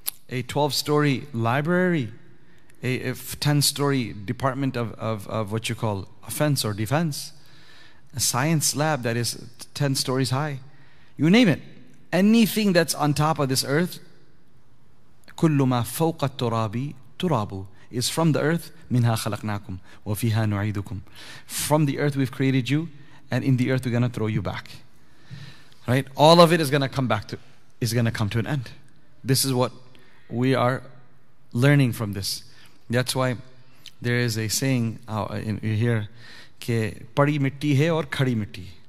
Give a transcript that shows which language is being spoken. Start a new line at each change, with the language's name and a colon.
English: A 12-story library. A 10-story department of what you call offense or defense. A science lab that is 10 stories high. You name it. Anything that's on top of this earth,
Arabic: كل ما فوق التراب ترابه,
English: is from the earth.
Arabic: منها خلقناكم وفيها نعيدكم.
English: From the earth we've created you, and in the earth we're gonna throw you back. Right? All of it is gonna come back to, is gonna come to an end. This is what we are learning from this. That's why there is a saying you hear,
Hindi: ke padi mitti hai aur khadi mitti.